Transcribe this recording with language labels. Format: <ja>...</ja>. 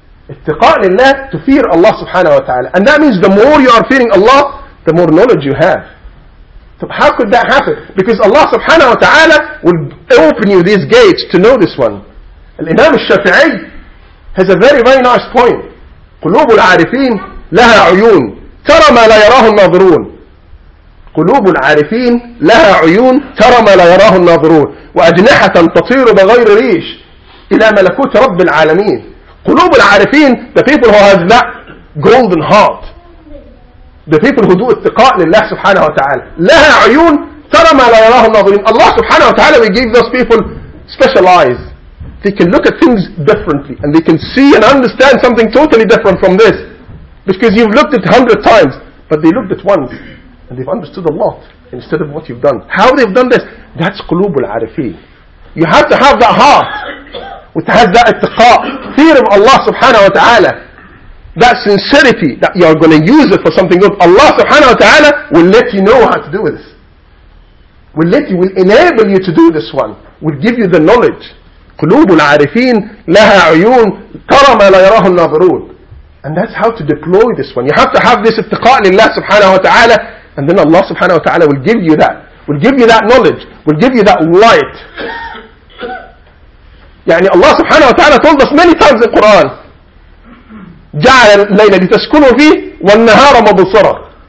<ar>اتقاء لله,</ar> <en>to fear Allah subhanahu wa ta'ala. And that means the more you are fearing Allah, the more knowledge you have. So how could that happen? Because Allah subhanahu wa ta'ala will open you these gates to know this one. Al-Imam al-Shafi'i has a very, very nice point.</en> <ar>قلوب العارفين لها عيون ترى ما لا يراه الناظرون. قلوب العارفين لها عيون ترى ما لا يراه الناظرون وأجنحة تطير بغير ريش إلى ملكوت رب العالمين. قلوب العارفين,</ar> <en>the people who have that golden heart, the people who do</en> <ar>اتقاء لله سبحانه وتعالى. لها عيون ترى ما لا يراه الناظرون.</ar> <en>Allah subhanahu wa ta'ala will give those people special eyes. They can look at things differently and they can see and understand something totally different from this. Because you've looked at 100 times, but they looked at once, and they've understood a lot, instead of what you've done. How they've done this? That's</en> <ar>قلوب العارفين.</ar> <en>You have to have that heart, which has that اتقاء, fear of Allah subhanahu wa ta'ala. That sincerity, that you're going to use it for something good. Allah subhanahu wa ta'ala will let you know how to do this. Will let you, will enable you to do this one. Will give you the knowledge.</en> <ar>قلوب العارفين لها عيون ترى ما لا يراه الناظرون.</ar> <en>And that's how to deploy this one. You have to have this</en> <ar>اتقاء لله</ar> <en>subhanahu wa ta'ala, and then Allah subhanahu wa ta'ala will give you that. Will give you that knowledge. Will give you that light. يعني Allah subhanahu wa ta'ala told us many times in Quran,</en> <ar>جعل الليل لتسكنوا فيه والنهار مبصرا.</ar>